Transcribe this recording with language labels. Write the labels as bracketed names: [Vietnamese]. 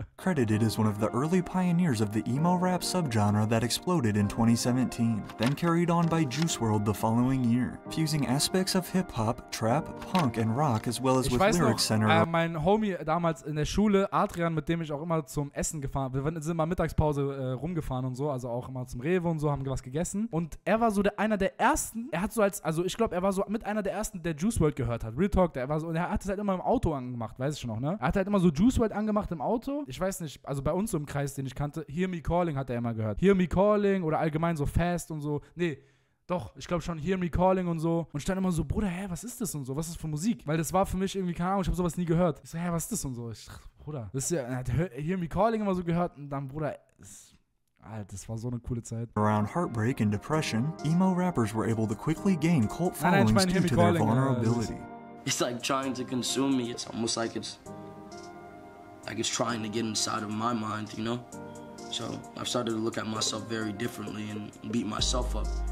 [English] Credited as one of the early pioneers of the emo rap subgenre that exploded in 2017, then carried on by Juice WRLD the following year, fusing aspects of hip-hop, trap, punk and rock as well as [German] ich [English] with lyrics center. [German] Mein Homie damals in der Schule, Adrian, mit dem ich auch immer zum Essen gefahren, wir sind mal Mittagspause rumgefahren und so, also auch immer zum Rewe und so, haben was gegessen. Und er war so einer der ersten, der Juice WRLD gehört hat. Real Talk, er hat es halt immer im Auto angemacht, weiß ich schon noch, ne? Er hat halt immer so Juice WRLD angemacht im Auto. Ich weiß nicht, also bei uns so im Kreis, den ich kannte, Hear Me Calling hat er immer gehört. Hear Me Calling oder allgemein so Fast und so. Nee, doch, ich glaube schon, Hear Me Calling und so. Und ich stand immer so, Bruder, hä, was ist das und so? Was ist das für Musik? Weil das war für mich irgendwie, keine Ahnung, ich habe sowas nie gehört. Ich so, hä, was ist das und so? Ich dachte, Bruder, wisst ihr, er hat Hear Me Calling immer so gehört und dann, Bruder, Alter, das war so eine coole Zeit. [English] Around heartbreak and depression, emo rappers were able to quickly gain cult followings [German] nein, [English] due to their vulnerability. It's like trying to consume me. It's almost like it's trying to get inside of my mind, you know? So I've started to look at myself very differently and beat myself up.